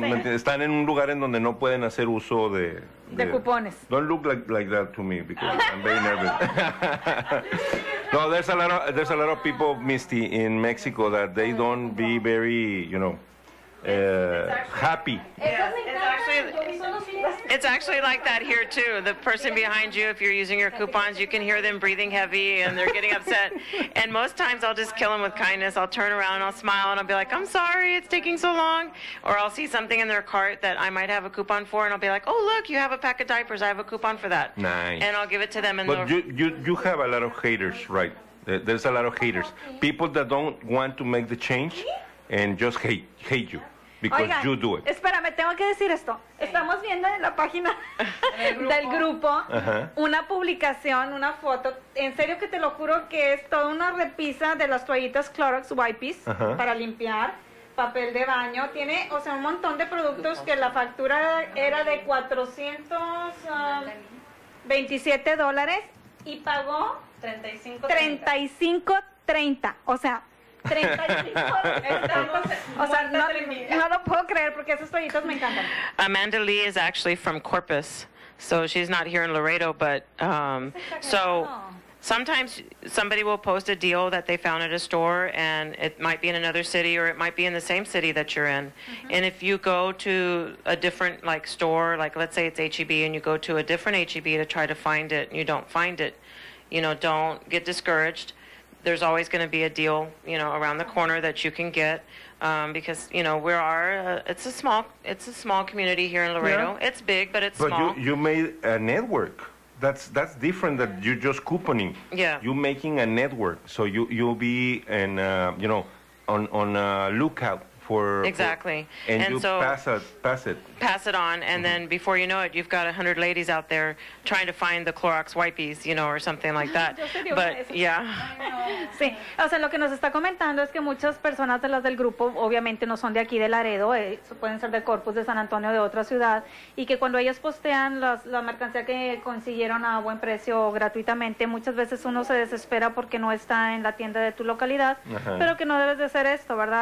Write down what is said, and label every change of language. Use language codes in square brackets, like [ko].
[es] Están en un lugar en donde no pueden hacer uso de cupones. [en] Don't look like that to me because I'm very nervous. No, there's a lot of people, Misty, in Mexico that they don't be very, you know, happy. It's actually like that here too. The person behind you, if you're using your coupons, you can hear them breathing heavy and they're getting upset. And most times I'll just kill them with kindness. I'll turn around, I'll smile, and I'll be like, I'm sorry, it's taking so long. Or I'll see something in their cart that I might have a coupon for, and I'll be like, oh, look, you have a pack of diapers. I have a coupon for that. Nice. And I'll give it to them. But you have a lot of haters, right? There's a lot of haters. People that don't want to make the change and just hate you. Because [es] Oigan, [en] you do it. [es] Espérame, tengo que decir esto. Estamos viendo en la página del grupo una publicación, una foto. En serio que te lo juro que es toda una repisa de las toallitas Clorox Wipes para limpiar, papel de baño. Tiene, o sea, un montón de productos que la factura era de $427 y pagó $35.30. O sea, 35. O sea, no lo puedo creer porque esos toallitos me encantan. [en] Amanda Lee is actually from Corpus, so she's not here in Laredo, but so sometimes somebody will post a deal that they found at a store, and it might be in another city or it might be in the same city that you're in. Mm-hmm. And if you go to a different like store, like let's say it's HEB, and you go to a different HEB to try to find it, and you don't find it, you know, don't get discouraged. There's always going to be a deal, you know, around the corner that you can get, because, you know, it's a small community here in Laredo. Yeah. It's big, but it's small. But you made a network. That's different than you just couponing. Yeah. You're making a network. So you'll be in, you know, on a lookout. Exactly. Pass it on, and then before you know it, you've got 100 ladies out there trying to find the Clorox wipes, you know, or something like that. But, yeah. [es] Sí. O sea, lo que nos está comentando es que muchas personas de las del grupo, obviamente, no son de aquí, de Laredo, pueden ser de Corpus, de San Antonio, de otra ciudad, y que cuando ellas postean la mercancía que consiguieron a buen precio o gratuitamente, muchas veces uno se desespera porque no está en la tienda de tu localidad, pero que no debes de hacer esto, ¿verdad?